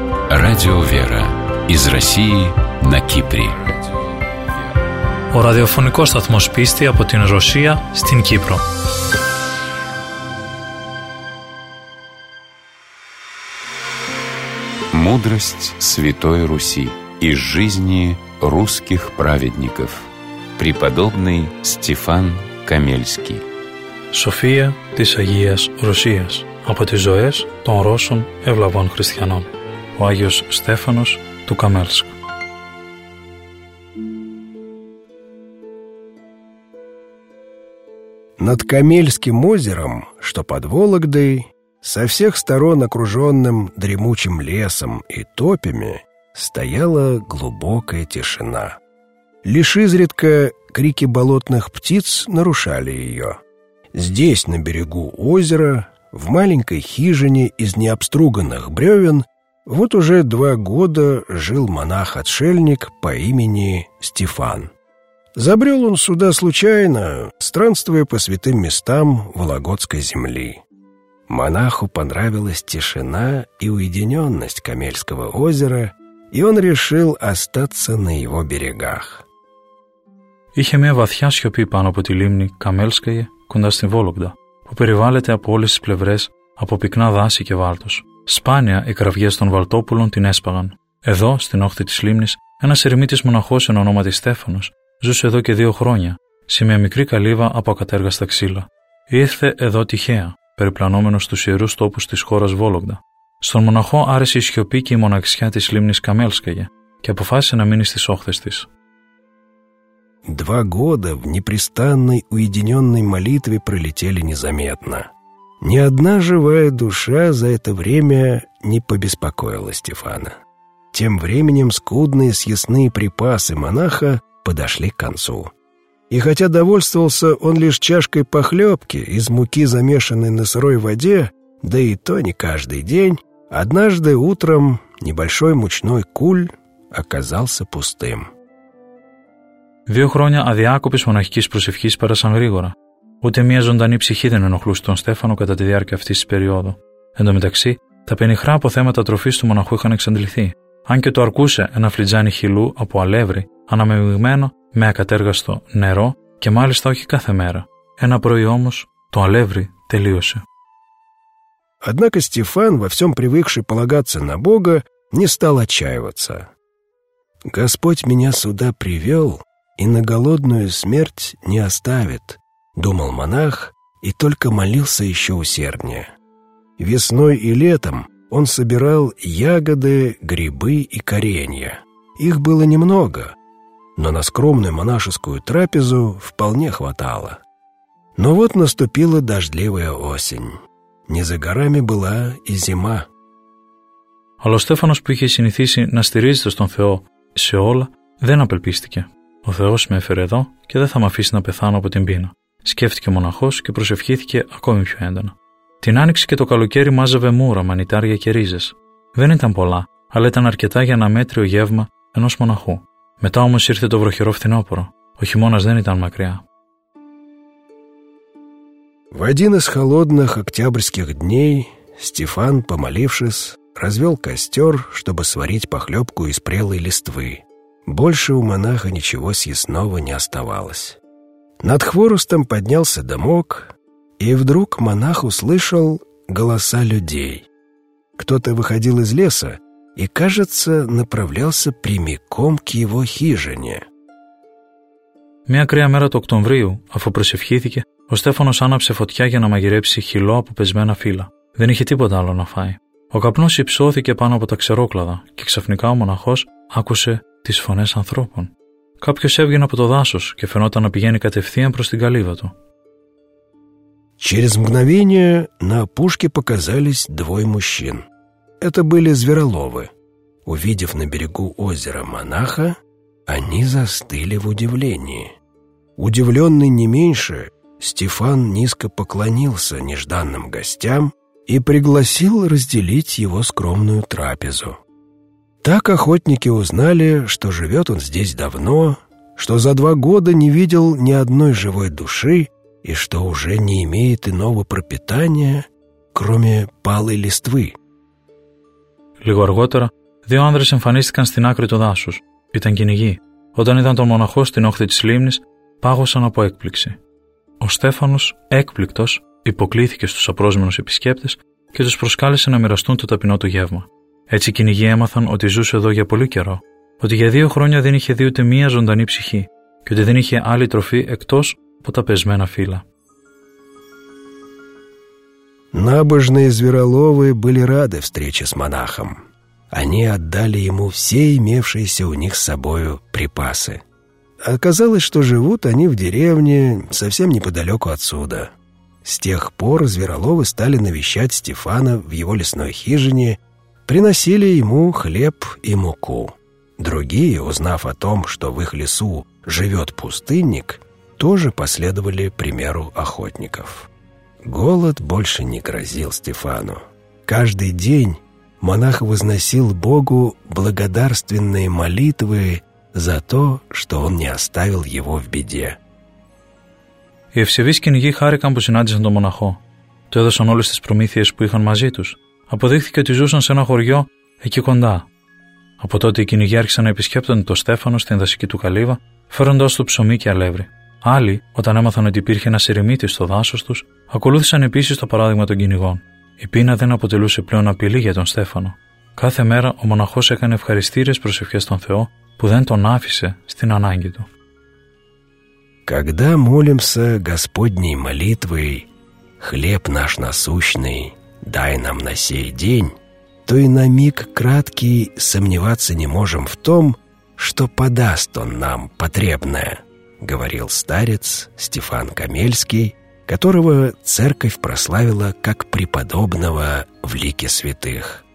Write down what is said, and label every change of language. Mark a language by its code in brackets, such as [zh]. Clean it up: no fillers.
[ru] Радио Вера из России на Кипре. [el] Ο ραδιοφωνικός σταθμός πίστη από την Ρωσία στην Κύπρο. [ru] Мудрость Святой Руси из жизни русских праведников. Преподобный Стефан Камельский. [el] София της Αγίας Ρωσίας. Από τις ζωές των Ρώσων ευλαβών χριστιανών. Ο Άγιος Στέφανος του Καμέλσκου. [ru] Над Камельским озером, что под Вологдой, со всех сторон окруженным дремучим лесом и топями, стояла глубокая тишина. Лишь изредка крики болотных птиц нарушали ее. Здесь, на берегу озера, в маленькой хижине из необструганных бревен, вот уже 2 года жил монах-отшельник по имени Стефан. Забрел он сюда случайно, странствуя по святым местам Вологодской земли. Монаху понравилась тишина и уединенность Камельского озера, и он решил остаться на его берегах. [el] Είχε μια βαθιά σιωπή πάνω από τη λίμνη Καμέλσκαγε, κοντά στην Βόλογδα, που περιβάλλεται από όλες τις πλευρές από πυκνά δάση και βάλτος. Σπάνια οι κραυγές των Βαλτόπουλων την έσπαγαν. Εδώ, στην όχθη της λίμνης, ένας ερημίτης μοναχός εν ονόματι Στέφανος ζούσε εδώ και 2 χρόνια, σε μια μικρή καλύβα από ακατέργαστα ξύλα. Ήρθε εδώ τυχαία, περιπλανόμενος στους ιερούς τόπους της χώρας Βόλογδα. Στον μοναχό άρεσε η σιωπή και η μοναξιά της λίμνης Καμέλσκαγε και αποφάσισε να μείνει στις όχθες της. [ru] 2 года в непрестанной уединенной молитве пролетели незаметно. Ни одна живая душа за это время не побеспокоила Стефана. Тем временем скудные съестные припасы монаха подошли к концу. И хотя довольствовался он лишь чашкой похлебки из муки, замешанной на сырой воде, да и то не каждый день, однажды утром небольшой мучной куль оказался пустым. [el] 2 χρόνια αδιάκοπης μοναχικής προσευχής πέρασαν γρήγορα. Ούτε μια ζωντανή ψυχή δεν ενοχλούσε τον Στέφανο κατά τη διάρκεια αυτής της περίοδου. Εν τω μεταξύ, τα πενιχρά αποθέματα τροφής του μοναχού είχαν εξαντληθεί. Αν και το αρκούσε ένα φλιτζάνι χυλού από αλεύρι, αναμειγμένο με ακατέργαστο νερό και μάλιστα όχι κάθε μέρα. Ένα πρωί όμως το αλεύρι τελείωσε. [ru] Однако Стефан, во всем привыкший полагаться на Бога, не стал отчаиваться. Господь меня сюда привел и на голодную смерть не оставит, думал монах и только молился еще усерднее. Весной и летом он собирал ягоды, грибы и коренья. Их было немного, но на скромную монашескую трапезу вполне хватало. Но вот наступила дождливая осень. Не за горами была и зима. [el] Αλλά ο Στέφανος, που είχε συνηθίσει να στηρίζεται στον Θεό σε όλα, δεν απελπίστηκε. «Ο Θεός με έφερε εδώ και δεν θα με αφήσει να πεθάνω από την πείνα», σκέφτηκε ο μοναχός και προσευχήθηκε ακόμη πιο έντονα. Την άνοιξη και το καλοκαίρι μάζευε μούρα, μανιτάρια και ρίζες. Δεν ήταν πολλά, αλλά ήταν αρκετά για ένα μέτριο γεύμα ενός μοναχού. Μετά όμως ήρθε το βροχερό φθινόπωρο. Ο χειμώνας δεν ήταν μακριά. [ru] В один из холодных октябрьских дней Стефан, помолившись, развел костер, чтобы сварить похлебку из прелой листвы. Больше у монаха ничего съестного не оставалось. Над хворостом поднялся дымок, и вдруг монах услышал голоса людей. Кто-то выходил из леса и, кажется, направлялся прямиком к его хижине. [el] Μια κρύα μέρα του Οκτωβρίου, αφού προσευχήθηκε, ο Στέφανος άναψε φωτιά για να μαγειρέψει χυλό από πεσμένα φύλλα. Δεν είχε τίποτα άλλο να φάει. Ο καπνός υψώθηκε πάνω από τα ξερόκλαδα και ξαφνικά ο μοναχός άκουσε τις φωνές ανθρώπων. Κάποιος έβγαινε από το δάσος και φαινόταν να πηγαίνει κατευθείαν προς την καλύβα του. [ru] Через мгновение на опушке показались двое мужчин. Это были звероловы. Увидев на берегу озера монаха, они застыли в удивлении. Удивленный не меньше, Стефан низко поклонился нежданным гостям и пригласил разделить его скромную трапезу. Так охотники узнали, что живет он здесь давно, что за 2 года не видел ни одной живой души и что уже не имеет иного пропитания, кроме палой листвы. [el] Λίγο αργότερα, 2 άνδρες εμφανίστηκαν στην άκρη του δάσους. Ήταν κυνηγοί. Όταν είδαν τον μοναχό στην όχθη της λίμνης, πάγωσαν από έκπληξη. Ο Στέφανος, έκπληκτος, υποκλήθηκε στους απρόσμενους επισκέπτες και τους προσκάλεσε να μοιραστούν το ταπεινό του γεύμα. Έτσι οι κυνηγοί έμαθαν ότι ζούσε εδώ για πολύ καιρό, ότι για 2 χρόνια δεν είχε δει ούτε μία ζωντανή ψυχή και ότι δεν είχε άλλη τροφή εκτός από τα πεσμένα φύλλα. [ru] Набожные звероловы были рады встрече с монахом. Они отдали ему все имевшиеся у них с собою припасы. Оказалось, что живут они в деревне, совсем неподалеку отсюда. С тех пор звероловы стали навещать Стефана в его лесной хижине, приносили ему хлеб и муку. Другие, узнав о том, что в их лесу живет пустынник, тоже последовали примеру охотников. Голод больше не грозил Стефану. Каждый день монах возносил Богу благодарственные молитвы за то, что он не оставил его в беде. [el] Οι ευσεβείς κυνηγοί χάρηκαν που συνάντησαν τον μοναχό. Του έδωσαν όλες τις προμήθειες που είχαν μαζί τους. Αποδείχθηκε ότι ζούσαν σε ένα χωριό εκεί κοντά. Από τότε οι κυνηγοί άρχισαν να επισκέπτονται τον Στέφανο στην δασική του καλύβα, φέροντάς του ψωμί και αλεύρι. Άλλοι, όταν έμαθαν ότι υπήρχε ένας ερημίτης στο δάσος τους, ακολούθησαν επίσης το παράδειγμα των κυνηγών. Η πείνα δεν αποτελούσε πλέον απειλή για τον Στέφανο. Κάθε μέρα ο μοναχός έκανε ευχαριστήρες προσευχές στον Θεό που δεν τον άφησε στην ανάγκη του. [ru] Когда молимся Господней молитвой «Хлеб наш насущный, дай нам на сей день», то и на миг краткий сомневаться не можем в том, что подаст он нам потребное, говорил старец Стефан Камельский, которого церковь прославила как преподобного в лике святых.